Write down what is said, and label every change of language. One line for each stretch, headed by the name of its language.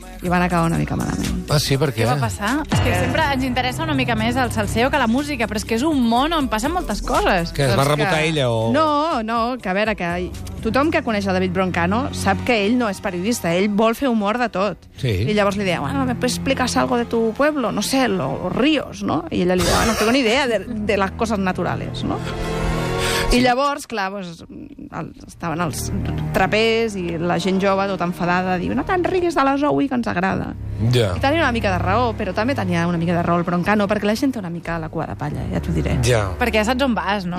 Catalan: I van acabar una mica malament. Ah, sí, per què? Què va passar? És que sempre ens interessa una mica més el salseo que la música, però és que és un món on passen moltes coses. Que es va rebotar ella o... No, que a veure, que tothom que coneix el David Broncano sap que ell no és periodista, ell vol fer humor de tot. Sí. I llavors li deia,
Spanish: bueno, ¿me puedes explicar algo de tu pueblo? No sé, los ríos, no?
Catalan: I ella li deia,
Spanish: no tengo ni idea de las cosas naturales, no?
Catalan: Sí. I llavors, clar, doncs, estaven els trapers i la gent jove tot enfadada, diu, no te'n riguis de la Zoe, que ens agrada. Yeah. I tenia una mica de raó, però també tenia una mica de raó el Broncano, perquè la gent té una mica la cua de palla, ja t'ho diré. Yeah. Perquè ja saps on vas, no?